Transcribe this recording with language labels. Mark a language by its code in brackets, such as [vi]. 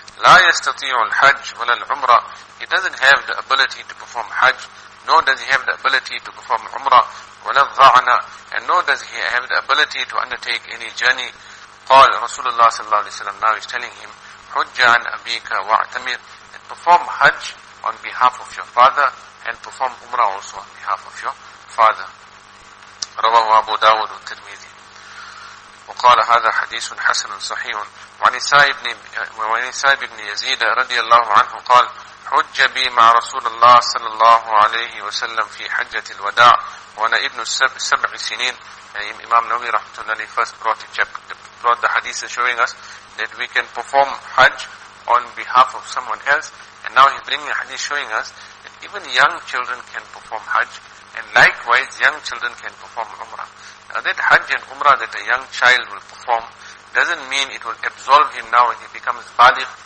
[en] La yastati'u al-hajj wa al-umrah. He doesn't have the ability to perform Hajj, nor does he have the ability to perform Umrah, wa al-dha'na, and nor does he have the ability to undertake any journey." Qal Rasulullah sallallahu alaihi wasallam, now is telling him, "Hujja an abika wa'tamir, and perform Hajj on behalf of your father, and perform Umrah also on behalf of your father." [ar] رواه أبو داود والترمذي وقال هذا حديث حسن صحيح وعن إسحاق بن يزيد رضي الله عنه قال حج بي مع رسول الله صلى الله عليه وسلم في حجة الوداع وأنا ابن سبع سنين. [en] Imam Nawawi rahmatullahi first brought the hadith showing us that we can perform Hajj on behalf of someone else, and now he bringing a hadith showing us that even young children can perform Hajj, and likewise young children can perform Umrah. Now that Hajj and Umrah that a young child will perform doesn't mean it will absolve him now when he becomes baligh.